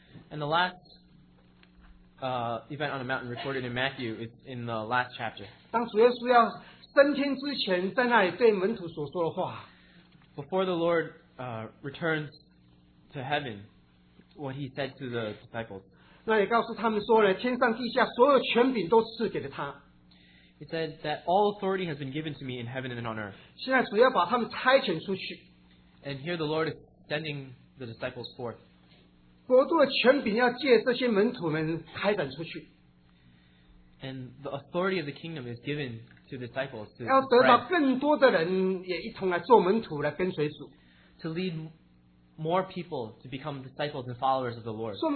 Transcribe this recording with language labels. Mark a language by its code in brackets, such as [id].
[en] And the last event on a mountain recorded in Matthew is in the last chapter. Before the Lord returns to heaven, what he said to the disciples. [zh] 那也告诉他们说了，天上地下所有权柄都赐给了他。 [en] He said that all authority has been given to me in heaven and on earth. [zh] 现在主要把他们差遣出去。 [en] And here the Lord is sending the disciples forth. [zh] 国度的权柄要借这些门徒们开展出去. [en] And the authority of the kingdom is given to disciples to [zh] 要得到更多的人也一同来做门徒来跟随主. [en] To lead more people to become disciples and followers of the Lord.